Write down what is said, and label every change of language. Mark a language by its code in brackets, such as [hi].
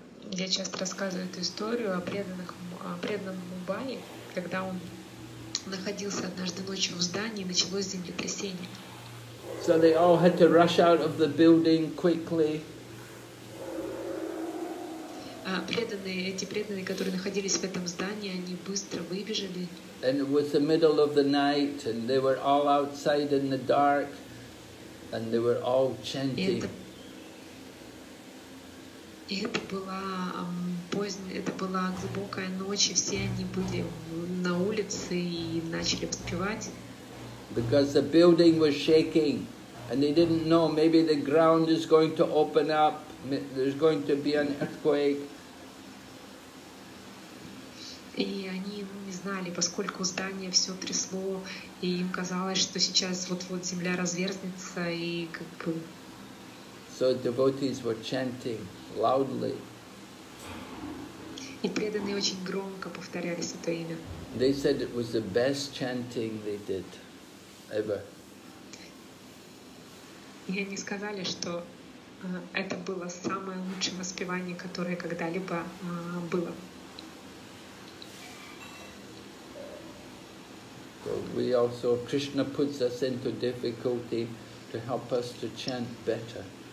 [ru] Я часто рассказываю эту историю о преданном Мумбаи, когда он находился однажды ночью в здании, и началось землетрясение. [en] So they all had to rush out of the building quickly. [ru] Преданные, которые находились в этом здании, они быстро выбежали. [en] And it was the middle of the night, and they were all outside in the dark, and they were all chanting. [ru] Это была глубокая ночь, и все они были на улице и начали вспевать. [en] Because the building was shaking, and they didn't know, maybe the ground is going to open up, there's going to be an earthquake. [ru] И они не знали, поскольку здание все трясло, и им казалось, что сейчас вот-вот земля разверзнется, и как бы... [en] So devotees were chanting loudly. [ru] И преданные очень громко повторяли Святое Имя. [en] They said it was the best chanting they did ever. [ru] И они сказали, что это было самое лучшее воспевание, которое когда-либо было. [en] So we also, Krishna puts us into difficulty to help us to chant better.